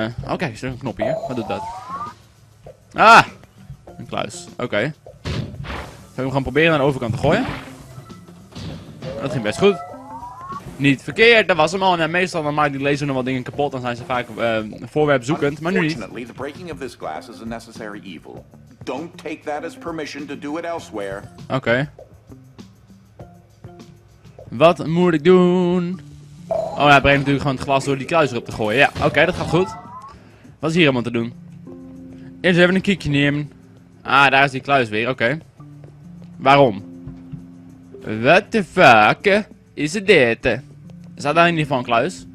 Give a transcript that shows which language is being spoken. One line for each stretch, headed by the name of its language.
Dutch: Oké, is er een knop hier? Wat doet dat? Ah! Een kluis. Oké. Ik ga hem gaan proberen aan de overkant te gooien. Dat ging best goed. Niet verkeerd, dat was hem al. En meestal dan maakt die laser nog wel dingen kapot. Dan zijn ze vaak voorwerp zoekend, maar nu niet.
English: Unfortunately, the breaking of this glass is a necessary evil. Don't take that as permission to do it elsewhere.
Dutch: Oké. Wat moet ik doen? Oh ja, breng natuurlijk gewoon het glas door die kluis erop te gooien. Ja, oké, dat gaat goed. Wat is hier allemaal te doen? Eerst even een kiekje nemen. Ah, daar is die kluis weer, oké. Waarom?
English: What the fuck
Dutch: is het dit? Er staat daar in ieder geval een kluis.